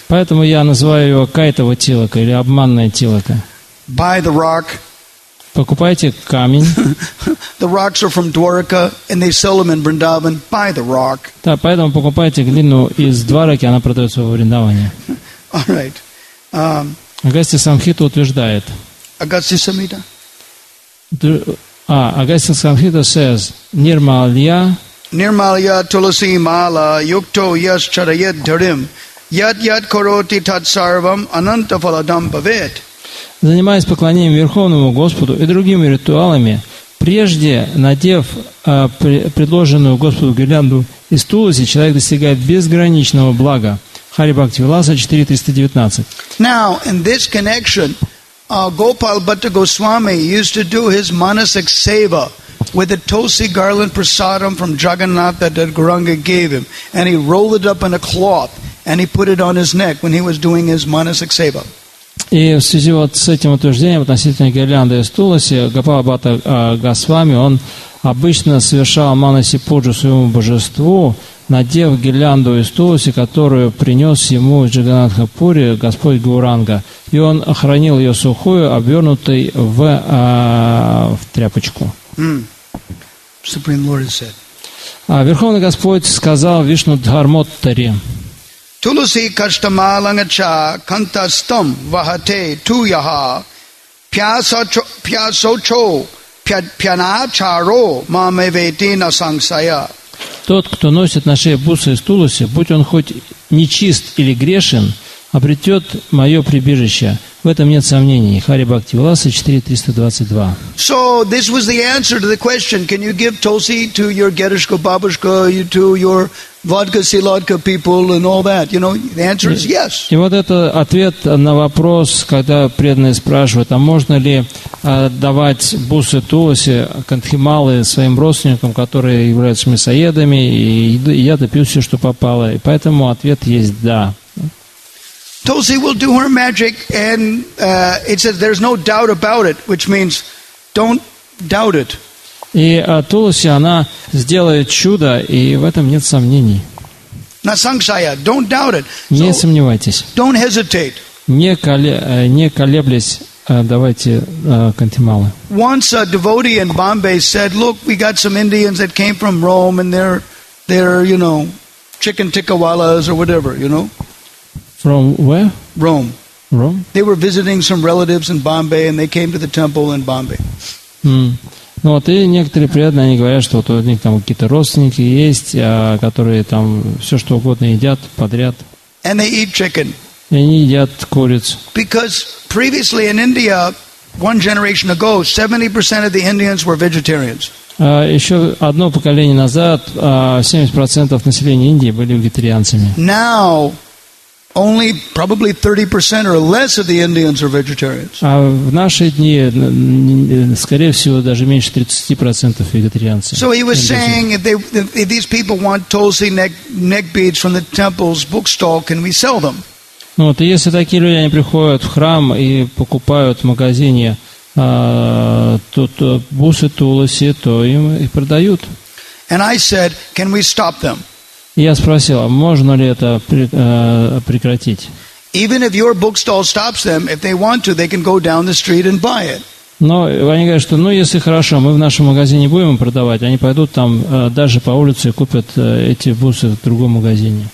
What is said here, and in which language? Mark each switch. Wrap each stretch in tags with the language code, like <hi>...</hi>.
<ru>Поэтому я называю его кайтова тилака или обманная тилака.</ru> <en>Buy the rock.</en> <ru>Покупайте камень.</ru> <en>The rocks are from Dwaraka and they sell them in Vrindavan. Buy the rock.</en> <ru>Да, поэтому покупайте глину из Двараки, она продается в Вриндаване.</ru> <en>All right.</en> <ru>Агастья Самхита утверждает. Агастья Самхита?</ru> <en>Агастья Самхита says, Нирмалья.</en> <sa>Нирмалья Туласи Мала Юкто Яс Чарайет Дарим Яд Яд Короти Тат Сарвам Ананта Фаладам Бавет.</sa> <ru>Занимаясь поклонением Верховному Господу и другими ритуалами, прежде надев предложенную Господу гирлянду Из Тулоси человек достигает безграничного блага. Хари Бхакти Виласа 4.319.</ru> <en>Now, in this connection, Gopal Bhatta Goswami used to do his manasik seva with a tulsi garland prasadam from Jagannath that Gauranga gave him. And he rolled it up in a cloth and he put it on his neck when he was doing his manasik seva.</en> <ru>И в связи вот с этим утверждением относительно гирлянды из Туласи, Гопала Бхатта Госвами, он обычно совершал манаси пуджу своему божеству, надев гирлянду из Туласи, которую принес ему Джаганнатха Пури, Господь Гауранга, и он хранил ее сухую, обернутой в тряпочку.</ru> <en>Supreme Lord said.</en> <ru>Верховный Господь сказал Вишну Дхармоттари.</ru> <sa>Tulasi kastamalangacha kantastam vahate tuyaha pyasocho pyanacharo mameveti nasangsaya.</sa> <ru>Тот, кто носит на шее бусы из Туласи, будь он хоть нечист или грешен, обретет мое прибежище. В этом нет сомнений. Хари Бхакти Виласа 4.322.</ru> <en>So this was the answer to the question, can you give tulsi to your</en> <ru>gedushka babushka,</ru> <en>to your vodka siladka people and all that? You know, the answer is yes.</en> <ru>И вот это ответ на вопрос, когда преданные спрашивают, а можно ли давать бусы тулоси, кантхималы своим родственникам, которые являются мясоедами, и я допью все, что попало. И поэтому ответ есть да.</ru> <en>Tulsi will do her magic, and it says there's no doubt about it, which means don't doubt it.</en> <ru>И Туласи, она сделает чудо, и в этом нет сомнений.</ru> <en>Насангсая, don't doubt it.</en> <ru>Не сомневайтесь.</ru> <en>Don't hesitate.</en> <ru>Не колеблясь, давайте кантималы.</ru> <en>Once a devotee in Bombay said, look, we got some Indians that came from Rome, and they're you know, chicken tikkawalas or whatever, you know. From where? Rome. Rome? They were visiting some relatives in Bombay, and they came to the temple in Bombay.</en> <ru>Ну вот, и некоторые приятные, они говорят, что вот у них там какие-то родственники есть, которые там все что угодно едят подряд.</ru> <en>And they eat chicken.</en> <ru>И они едят куриц.</ru> <en>Because previously in India, one generation ago, 70% of the Indians were vegetarians.</en> <ru>Еще одно поколение назад 70% населения Индии были вегетарианцами.</ru> <en>Now, only probably 30% or less of the Indians are vegetarians.</en> <ru>А в наши дни, скорее всего, даже меньше 30% вегетарианцев.</ru> <en>So he was saying, if these people want tulsi neck beads from the temple's bookstall, can we sell them?</en> <ru>Ну вот, если такие люди, они приходят в храм и покупают в магазине бусы тулоси, то им их продают.</ru> <en>And I said, can we stop them?</en> <ru>Я спросил, а можно ли это прекратить?</ru> <en>Even if your bookstall stops them, if they want to, they can go down the street and buy it.</en> <ru>Но они говорят, что ну если хорошо, мы в нашем магазине будем продавать, они пойдут там даже по улице и купят эти бусы в другом магазине.</ru>